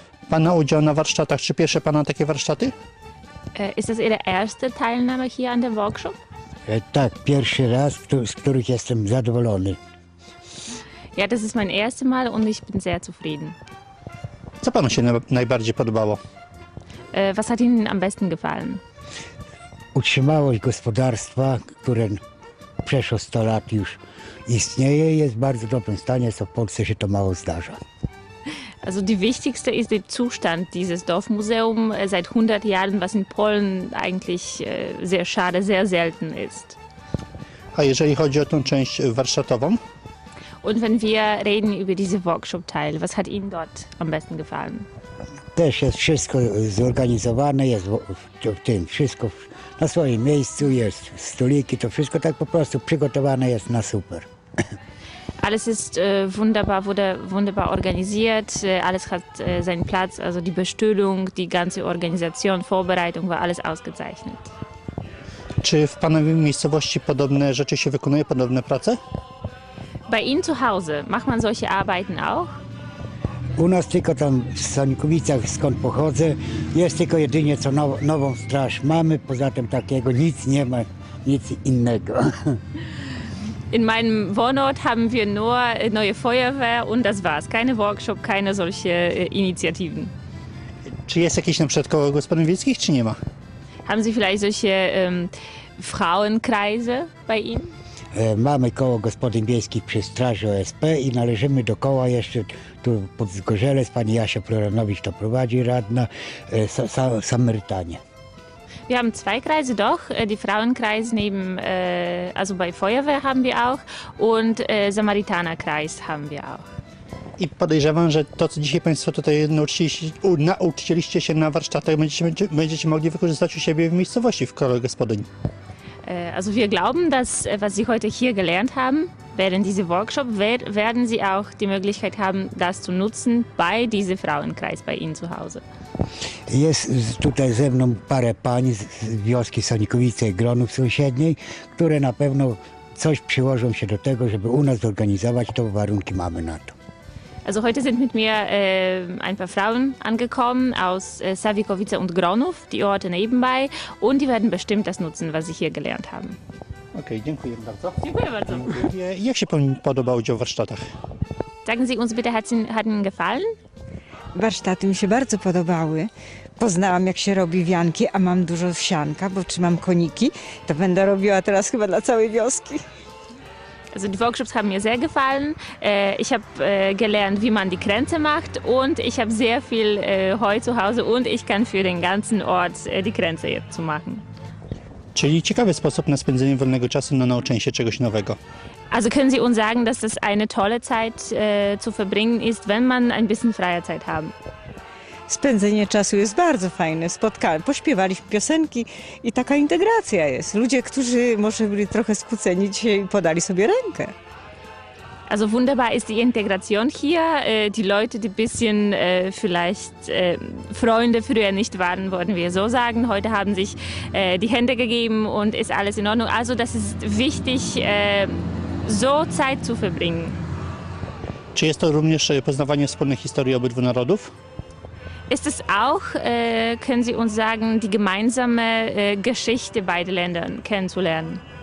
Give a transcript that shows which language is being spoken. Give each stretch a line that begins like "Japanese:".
Polish: Pana udział na warsztatach? Czy pierwsze Pana takie warsztaty?
German: Ist das Ihre erste Teilnahme hier an dem Workshop?
Polish: Tak, pierwszy raz, z których jestem zadowolony.
German: Ja, das ist mein erstes Mal und ich bin sehr zufrieden.
Polish: Co Panu się najbardziej podobało?
German: Was hat Ihnen am besten gefallen?
Polish: Utrzymałość gospodarstwa, które przeszło 100 lat już istnieje, jest w bardzo dobrym stanie, co w Polsce się to mało zdarza.
German: Also die wichtigste ist der Zustand dieses Dorfmuseums seit 100 Jahren, was in Polen eigentlich sehr schade, sehr selten ist.
Polish: A jeżeli chodzi o tę część warsztatową?
German: Und wenn wir reden über diese Workshop-Teil, was hat Ihnen dort am besten gefallen?
Polish: Też jest wszystko zorganizowane, jest w tym wszystko na swoim miejscu, jest stoliki, to wszystko tak po prostu przygotowane jest na super.
German: Alles ist wunderbar, wurde wunderbar organisiert, alles hat seinen Platz, also die Bestühlung, die ganze Organisation, Vorbereitung war alles ausgezeichnet.
Polish: Czy w Pana miejscowości podobne rzeczy się wykonuje, podobne prace?
German: Bei Ihnen zu Hause, macht man solche Arbeiten auch?
Polish: U nas tylko tam w Sankowicach, skąd pochodzę, jest tylko jedynie co nową straż mamy, poza tym takiego nic nie ma, nic innego.
German: In meinem Wohnort haben wir nur neue Feuerwehr und das war's. Keine Workshop, keine solche Initiativen.
Polish: Czy jest jakiś na przykład koło gospodyń wiejskich, czy nie ma?
German: Haben Sie vielleicht solche Frauenkreise bei Ihnen?
Polish: Mamy koło gospodyń wiejskich przy Straży OSP i należymy do koła jeszcze tu pod Zgorzelec. Pani Jasia Ploranowicz to prowadzi, radna, Samarytanie.
German: Wir haben zwei Kreise, doch. Die Frauenkreis neben, also bei Feuerwehr haben wir auch und Samaritanerkreis haben wir auch.
Polish: I podejrzewam, że to, co dzisiaj Państwo tutaj nauczyliście się na warsztatach, będziecie mogli wykorzystać u siebie w miejscowości, w kole gospodyń.
German: Also wir glauben, dass was Sie heute hier gelernt haben, während diesem Workshop, werden Sie auch die Möglichkeit haben, das zu nutzen bei diesem Frauenkreis, bei Ihnen zu Hause.
Polish: Jest tutaj ze mną parę pań z wioski Sanikowice i Gronów sąsiedniej, które na pewno coś przyłożą się do tego, żeby u nas zorganizować to, bo warunki mamy na to.
German: Also heute sind mit mir ein paar Frauen angekommen aus Sawikowice und Gronów, die Orte nebenbei, und die werden bestimmt das nutzen, was sie hier gelernt haben.
Polish: Okay, dziękuję bardzo. Dziękuję bardzo. Jak się Pani podoba udział w warsztatach?
German: Sagen Sie uns bitte, hat Ihnen gefallen?
Polish: Warsztaty mi się bardzo podobały. Poznałam, jak się robi wianki, a mam dużo sianka, bo trzymam koniki. To będę robiła teraz chyba dla całej wioski.
German: Also die Workshops haben mir sehr gefallen. Ich habe gelernt, wie man die Kränze macht und ich habe sehr viel Heu zu Hause und ich kann für den ganzen Ort die Kränze jetzt zu machen.
Polish: Czyli ciekawy sposób na spędzenie wolnego czasu, na nauczenie się czegoś nowego.
German: Also können Sie uns sagen, dass das eine tolle Zeit zu verbringen ist, wenn man ein bisschen freie Zeit haben?
Polish: Spędzenie czasu jest bardzo fajne. Pośpiewaliśmy piosenki i taka integracja jest. Ludzie, którzy może byli trochę skłóceni, dzisiaj podali sobie rękę.
German: Also wunderbar ist die Integration hier. Die Leute, die bisschen vielleicht Freunde früher nicht waren, wollten wir so sagen. Heute haben sich die Hände gegeben und ist alles in Ordnung. Also das ist wichtig, so Zeit zu verbringen.
Polish: Czy jest to również poznawanie wspólnej historii obydwu narodów?
German: Ist es auch, können Sie uns sagen, die gemeinsame Geschichte beider Länder kennenzulernen?